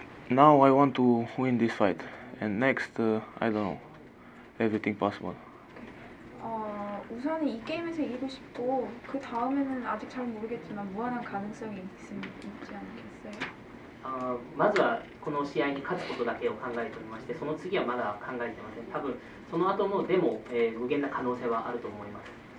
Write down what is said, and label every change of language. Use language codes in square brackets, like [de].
[en] Now I want to win this fight, and next I don't know, everything possible. [ko] 우선은 이 게임에서 이기고 싶고 그 다음에는 아직 잘 모르겠지만 무한한 가능성이 있지 않겠어요? [ja] まずはこの試合に勝つことだけを考えておりまして、その次はまだ考えてません。多分その後もでも無限な可能性はあると思います。